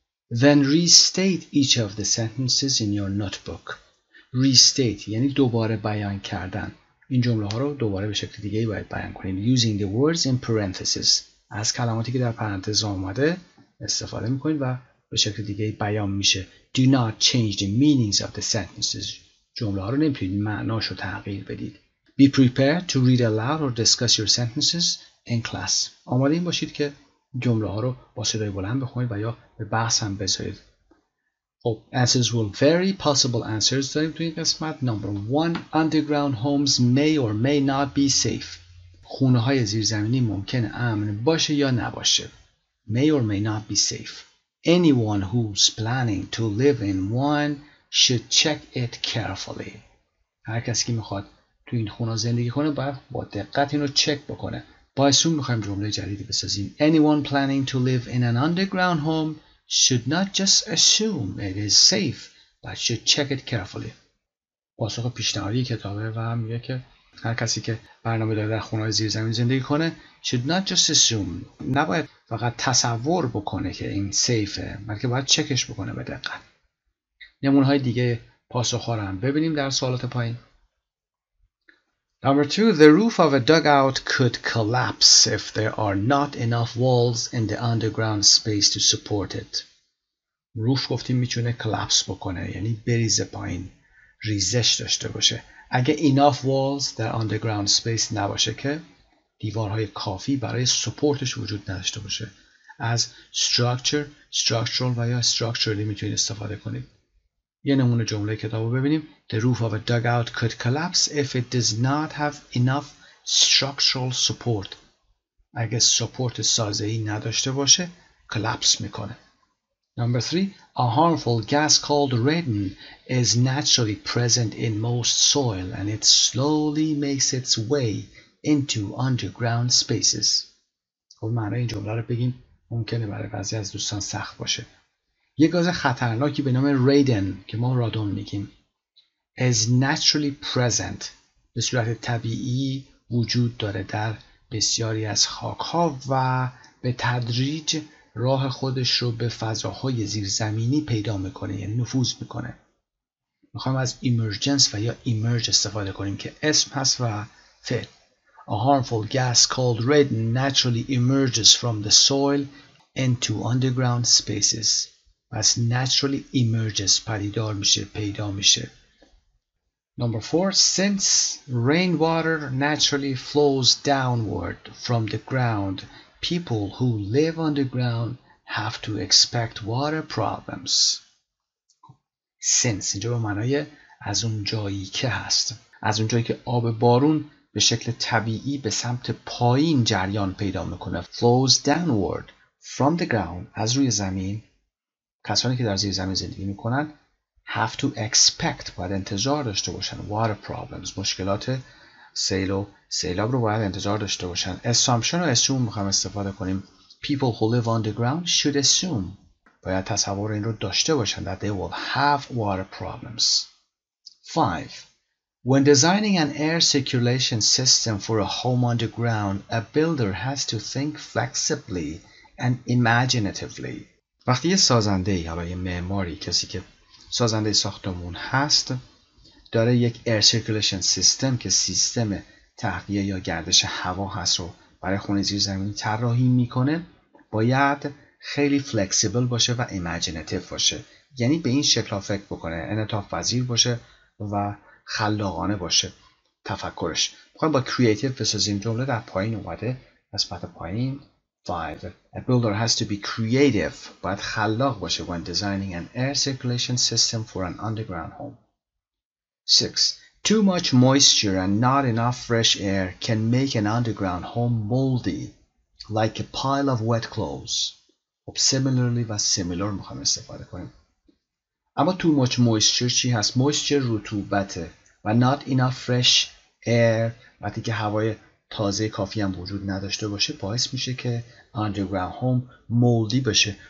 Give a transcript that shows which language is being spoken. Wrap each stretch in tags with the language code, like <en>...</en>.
<en>Then restate each of the sentences in your notebook.</en> <fa>Restate یعنی دوباره بیان کردن. این جمله ها رو دوباره به شکل دیگه باید بیان کنید.</fa> <en>Using the words in parentheses.</en> <fa>از کلماتی که در پرانتز آمده استفاده میکنید و به شکل دیگه بیان میشه.</fa> <en>Do not change the meanings of the sentences.</en> <fa>جمله ها رو نمیتونید معناش رو تغییر بدید.</fa> <en>Be prepared to read aloud or discuss your sentences in class.</en> <fa>آماده این باشید که جمله ها رو با صدای بلند بخونید و یا به بحث هم بذارید.</fa> <en>خب answers will vary. Possible answers</en> <fa>داریم تو این قسمت.</fa> <en>Number one, underground homes may or may not be safe.</en> <fa>خونه های زیرزمینی ممکنه امن باشه یا نباشه.</fa> <en>May or may not be safe. Anyone who's planning to live in one should check it carefully.</en> <fa>هر کسی که میخواد تو این خونه زندگی کنه باید با دقت اینو چک بکنه. بایسون میخواییم جمله جدیدی بسازیم.</fa> <en>Anyone planning to live in an underground home should not just assume it is safe, but should check it carefully.</en> <fa>پاسخ پیشنهادی کتابه و هم میگه که هر کسی که برنامه داره در خونه زیر زمین زندگی کنه</fa> <en>should not just assume.</en> <fa>نباید فقط تصور بکنه که این سیفه، بلکه باید چکش بکنه به دقت. نمونه های دیگه پاسخ ها رو هم ببینیم در سوالات پایین.</fa> <en>Number two, the roof of a dugout could collapse if there are not enough walls in the underground space to support it.</en> <fa>Roof گفتیم میتونه collapse بکنه، یعنی بریزه پایین، ریزش داشته باشه. اگه</fa> <en>enough walls</en> <fa>در</fa> <en>underground space</en> <fa>نباشه که دیوارهای کافی برای supportش وجود نداشته باشه. از structure, structural و یا structurally میتونید استفاده کنید. یه نمونه جمله کتاب رو ببینیم.</fa> <en>The roof of a dugout could collapse if it does not have enough structural support.</en> <fa>اگه سپورت سازه‌ای نداشته باشه کلاپس میکنه.</fa> <en>Number three. A harmful gas called radon is naturally present in most soil and it slowly makes its way into underground spaces.</en> <fa>خب معنی این جمله رو بگیم ممکنه برای بعضی از دوستان سخت باشه. یه گاز خطرناکی به نام رادن که ما رادون میگیم</fa> <en>is naturally present،</en> <fa>به صورت طبیعی وجود داره در بسیاری از خاک ها و به تدریج راه خودش رو به فضاهای زیرزمینی پیدا میکنه، یعنی نفوذ میکنه. میخوایم از emergence و یا emerge استفاده کنیم که اسم هست و فعل.</fa> <en>A harmful gas called radon naturally emerges from the soil into underground spaces. As naturally emerges</en> <fa>پدیدار میشه، پیدا میشه.</fa> <en>Number four, since rainwater naturally flows downward from the ground, people who live underground have to expect water problems.</en> <fa>Since اینجا به معنای از اون جایی که هست، از اون جایی که آب بارون به شکل طبیعی به سمت پایین جریان پیدا میکنه،</fa> <en>flows downward from the ground،</en> <fa>از روی زمین، کسانی که در زیر زمین زندگی میکنن</fa> <en>have to expect،</en> <fa>باید انتظار داشته باشن</fa> <en>water problems،</en> <fa>مشکلات سیل و سیلاب رو باید انتظار داشته باشن. assumption و assume میخوام استفاده کنیم.</fa> <en>people who live underground should assume،</en> <fa>باید تصور این رو داشته باشن</fa> <en>that they will have water problems. 5. When designing an air circulation system for a home underground, a builder has to think flexibly and imaginatively.</en> <fa>وقتی یه سازنده ای، حالا یه معماری، کسی که سازنده ساختمون هست، داره یک</fa> <en>air circulation system</en> <fa>که سیستم تهویه یا گردش هوا هست رو برای خونه زیرزمینی طراحی میکنه، باید خیلی flexible باشه و imaginative باشه، یعنی به این شکل ها فکر بکنه، انعطاف پذیر باشه و خلاقانه باشه تفکرش. میخوایم با creative بسازیم. جمله در پایین اومده، نسبت پایین</fa> <en>5. A builder has to be creative, but</en> <fa>خلاق باشه</fa> <en>when designing an air circulation system for an underground home. 6. Too much moisture and not enough fresh air can make an underground home moldy, like a pile of wet clothes.</en> <fa>خب similarly و similar میخوایم استفاده کنیم. اما</fa> <en>too much moisture</en> <fa>چی هست؟ moisture رطوبته و</fa> <en>not enough fresh air</en> <fa>وقتی که هوای تازه کافی هم وجود نداشته باشه باعث میشه که</fa> <en>underground home moldy</en> <fa>بشه.</fa>